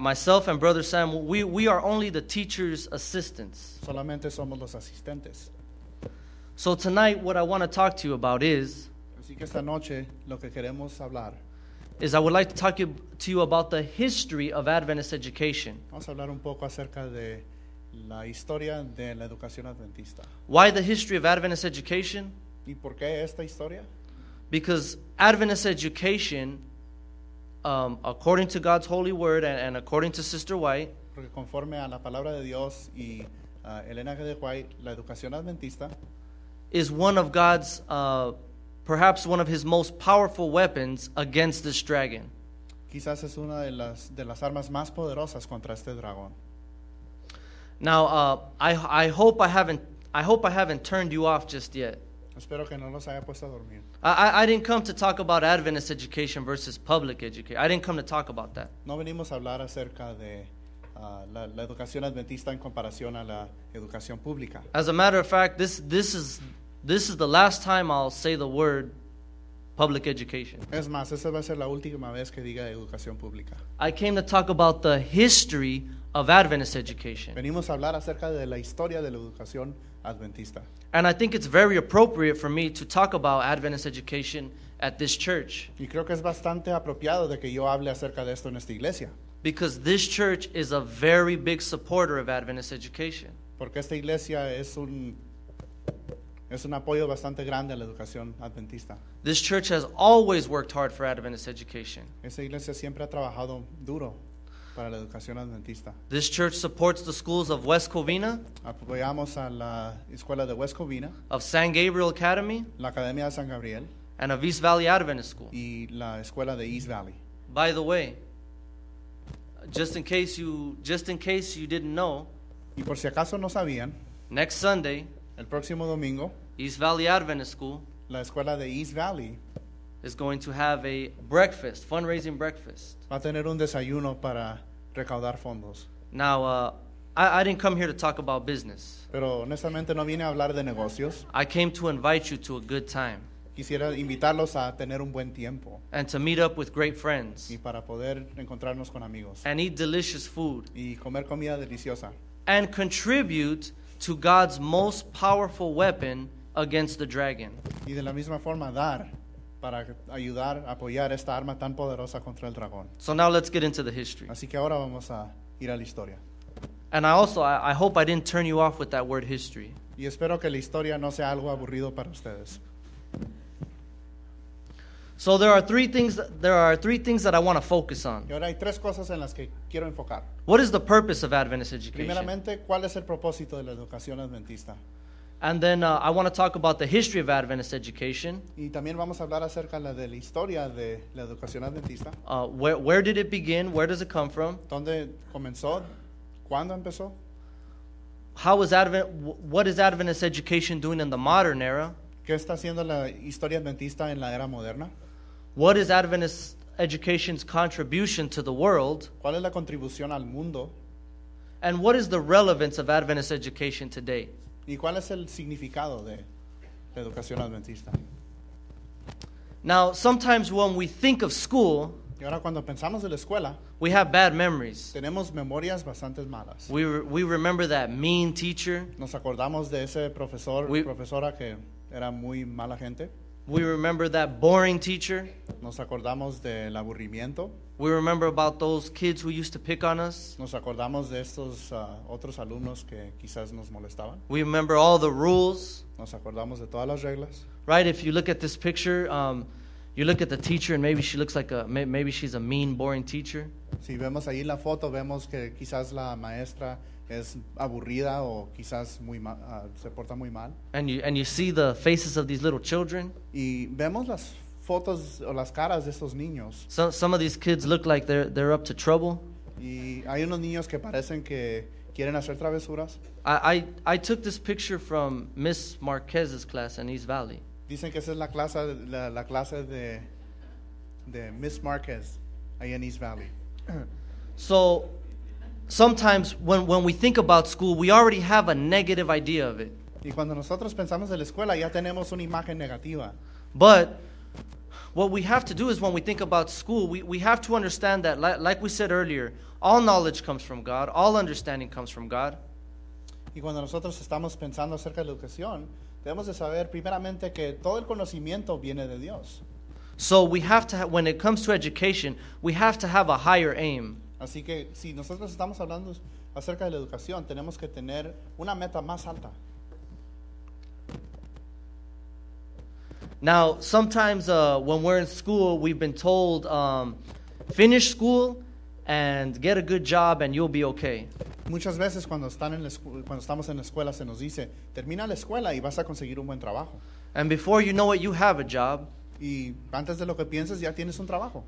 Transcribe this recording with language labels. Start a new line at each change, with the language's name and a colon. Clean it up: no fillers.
English: Myself and Brother Sam, we are only the teacher's assistants.
Spanish: Solamente somos los asistentes.
English: So tonight, what I want to talk to you about is,
Spanish: así que esta noche, lo que queremos hablar,
English: is I would like to talk to you about the history of Adventist education.
Spanish: Vamos a hablar un poco acerca de la historia de la educación adventista.
English: Why the history of Adventist education?
Spanish: ¿Y por qué esta historia?
English: Because Adventist education according to God's holy word and according to Sister White,
Spanish: porque conforme a la palabra de Dios y Elena G. de White, la educación adventista
English: is one of God's perhaps one of his most powerful weapons against this dragon.
Spanish: Quizás es una de las armas más poderosas contra este dragón.
English: Now I hope I haven't turned you off just yet.
Spanish: Espero que no los haya puesto a dormir.
English: I didn't come to talk about Adventist education versus public education. I didn't come to talk about that.
Spanish: No venimos a hablar acerca de la educación adventista en comparación a la educación pública.
English: As a matter of fact, this is the last time I'll say the word public education.
Spanish: Es más, esa va a ser la última vez que diga educación pública.
English: I came to talk about the history of Adventist education.
Spanish: Venimos a hablar acerca de la historia de la educación adventista.
English: And I think it's very appropriate for me to talk about Adventist education at this church.
Spanish: Y creo que es bastante apropiado de que yo hable acerca de esto en esta iglesia.
English: Because this church is a very big supporter of Adventist education.
Spanish: Porque esta iglesia es un apoyo bastante grande a la educación adventista.
English: This church has always worked hard for Adventist education.
Spanish: Esta iglesia siempre ha trabajado duro para la educación adventista.
English: This church supports the schools of West Covina.
Spanish: Apoyamos a la escuela de West Covina.
English: Of San Gabriel Academy.
Spanish: La Academia de San Gabriel.
English: And of East Valley Adventist School.
Spanish: Y la escuela de East Valley.
English: By the way, just in case you didn't know,
Spanish: y por si acaso no sabían,
English: next Sunday,
Spanish: el próximo domingo,
English: East Valley Adventist School,
Spanish: la escuela de East Valley,
English: is going to have a breakfast, fundraising breakfast.
Spanish: Va a tener un desayuno para recaudar fondos.
English: Now, I didn't come here to talk about business.
Spanish: Pero honestamente no vine a hablar de negocios.
English: I came to invite you to a good time.
Spanish: Quisiera invitarlos a tener un buen tiempo.
English: And to meet up with great friends.
Spanish: Y para poder encontrarnos con amigos.
English: And eat delicious food.
Spanish: Y comer comida deliciosa.
English: And contribute to God's most powerful weapon against the dragon.
Spanish: Y de la misma forma dar para ayudar a apoyar esta arma tan poderosa contra el dragón.
English: So now let's get into the history.
Spanish: Así que ahora vamos a ir a la historia.
English: And I also, I hope I didn't turn you off with that word history.
Spanish: Y espero que la historia no sea algo aburrido para ustedes.
English: So there are three things that I want to focus on.
Spanish: Y ahora hay tres cosas en las que quiero enfocar.
English: What is the purpose of Adventist education?
Spanish: Primeramente, ¿cuál es el propósito de la educación adventista?
English: And then I want to talk about the history of Adventist education.
Spanish: Y también vamos a hablar acerca de la historia de la educación adventista.
English: Where did it begin? Where does it come from?
Spanish: ¿Dónde comenzó? ¿Cuándo empezó?
English: What is Adventist education doing in the modern era?
Spanish: ¿Qué está haciendo la historia adventista en la era moderna?
English: What is Adventist education's contribution to the world?
Spanish: ¿Cuál es la contribución al mundo?
English: And what is the relevance of Adventist education today?
Spanish: ¿Y cuál es el significado de la educación adventista?
English: Now, sometimes when we think of school,
Spanish: y ahora cuando pensamos de la escuela,
English: we have bad memories.
Spanish: Tenemos memorias bastante malas.
English: We remember that mean teacher.
Spanish: Nos acordamos de ese profesor, profesora que era muy mala gente.
English: We remember that boring teacher.
Spanish: Nos acordamos del aburrimiento.
English: We remember about those kids who used to pick on us.
Spanish: Nos acordamos de estos otros alumnos que quizás nos molestaban.
English: We remember all the rules.
Spanish: Nos acordamos de todas las reglas.
English: Right, if you look at this picture, you look at the teacher and maybe she looks like maybe she's a mean, boring teacher.
Spanish: Si vemos ahí la foto, vemos que quizás la maestra es aburrida o quizás muy se porta muy mal.
English: And you see the faces of these little children.
Spanish: Y vemos las fotos o las caras de estos niños.
English: Some of these kids look like they're up to trouble.
Spanish: Y hay unos niños que parecen que quieren hacer travesuras.
English: I took this picture from Miss Marquez's class in East Valley.
Spanish: Dicen que esa es la clase de Miss Marquez ahí en East Valley.
English: So sometimes when we think about school, we already have a negative idea of it.
Spanish: Y cuando nosotros pensamos de la escuela, ya tenemos una imagen negativa.
English: But what we have to do is when we think about school, we have to understand that, like we said earlier, all knowledge comes from God, all understanding comes from God.
Spanish: Y cuando nosotros estamos pensando acerca de la educación, debemos de saber primeramente que todo el conocimiento viene de Dios.
English: So we have to, when it comes to education, we have to have a higher aim.
Spanish: Así que si nosotros estamos hablando acerca de la educación, tenemos que tener una meta más alta.
English: Now, sometimes when we're in school, we've been told finish school and get a good job and you'll be okay.
Spanish: Muchas veces cuando están en la cuando estamos en la escuela se nos dice, termina la escuela y vas a conseguir un buen trabajo.
English: And before you know it, you have a job.
Spanish: Y antes de lo que pienses, ya tienes un trabajo.